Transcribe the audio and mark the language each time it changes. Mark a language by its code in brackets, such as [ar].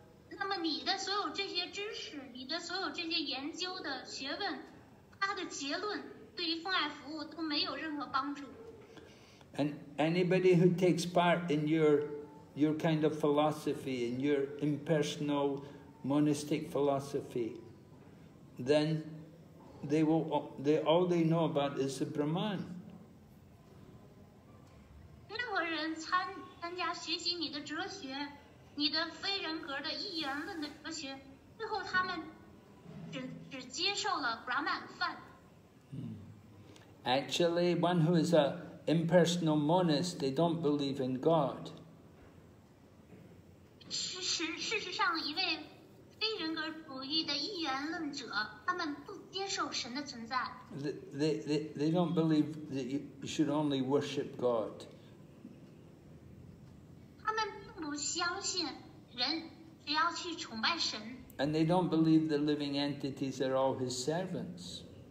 [zh] 那么你的所有这些知识，你的所有这些研究的学问，它的结论对于奉爱服务都没有任何帮助。 [en] And anybody who takes part in your kind of philosophy, in your impersonal monistic philosophy, then all they know about is the Brahman. [zh] 任何人参加学习你的哲学，你的非人格的一元论的哲学，最后他们只接受了 Brahman 饭。 [en] Actually, one who is a impersonal monist, they don't believe in God. [zh] 事实上，一位非人格主义的一元论者，他们不接受神的存在。 [en] They don't believe that you should only worship God. [zh] 他们并不相信人只要去崇拜神。 [en] And they don't believe the living entities are all His servants.